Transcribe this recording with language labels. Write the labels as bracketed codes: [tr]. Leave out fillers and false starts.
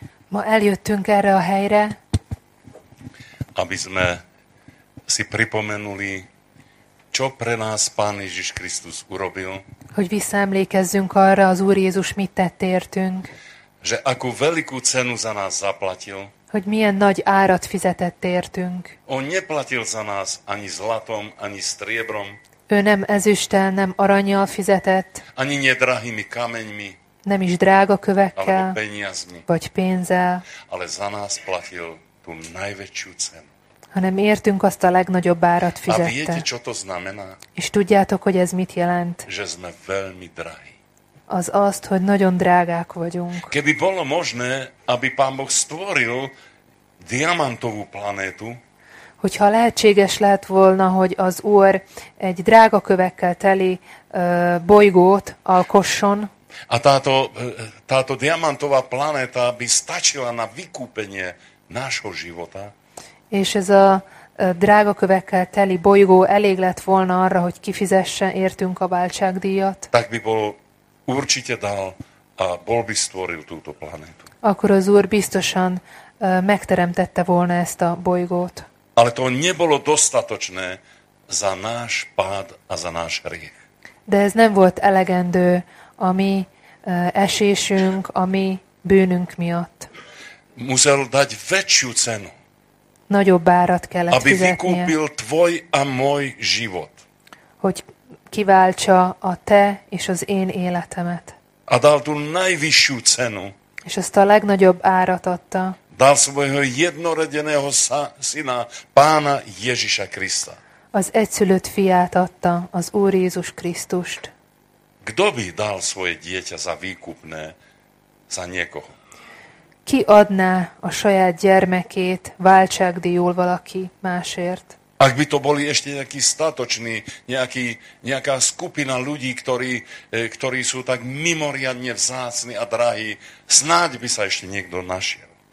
[hu] Ma eljöttünk erre a helyre. [sk] Aby sme si pripomenuli, čo pre nás Pán Ježiš Kristus urobil. [hu] Hogy visszaemlékezzünk arra, az Úr Jézus mit tett értünk. [sk] Že akú veľkú cenu za nás zaplatil. [hu] Hogy milyen nagy árat fizetett értünk. [sk] On neplatil za nás ani zlatom, ani striebrom. [hu] Ő nem ezüsttel, nem arannyal fizetett. [sk] Ani nedrahými kameňmi. [hu] Nem is drága kövekkel. [sk] Ale peniazmi. [hu] Vagy pénzzel. [sk] Ale za nás platil tú najväčšiu cenu. [hu] Hanem értünk azt a legnagyobb árat fizette. [sk] A viete, čo to znamená? [hu] És tudjátok, hogy ez mit jelent? [sk] Že sme veľmi drahí. [hu] Az azt, hogy nagyon drágák vagyunk. [sk] Keby bolo možné, aby Pán Boh stvoril diamantovú planétu, [hu] hogyha lehetséges lett volna, hogy az Úr egy drága kövekkel teli bolygót alkosson, [sk] a táto diamantová planéta by stačila na vykúpenie nášho života, [hu] és ez a drága kövekkel teli bolygó elég lett volna arra, hogy kifizessen értünk a váltságdíjat, [sk] tak by bol určite dal a bol by stvoril túto planétu. [hu] Akkor az Úr biztosan megteremtette volna ezt a bolygót. [sk] Ale to nebolo dostatočné za náš pád a za náš hriech. [hu] De ez nem volt elegendő a mi esésünk, a mi bűnünk miatt. [sk] Musel dať väčšiu cenu. [hu] Nagyobb árat kellett [sk] aby [hu] fizetnie. [sk] Aby vykúpil tvoj a môj život. [hu] Hogy kiváltsa a te és az én életemet. [sk] A dal tú najvyššiu cenu. [hu] És ezt a legnagyobb árat adta. [sk] Dal svojho jednoredeného syna, Pána Ježiša Krista. [hu] Az egyszülött fiát adta, az Úr Jézus Krisztust. [sk] Kto by dal svoje dieťa za výkupné, za niekoho? [hu] Ki adná a saját gyermekét váltságdíjul valaki másért? [sk] Ak by to boli ešte nejaký statočný, nejaká skupina ľudí, ktorí sú tak mimoriadne vzácni a drahí, snáď by sa ešte niekto našiel.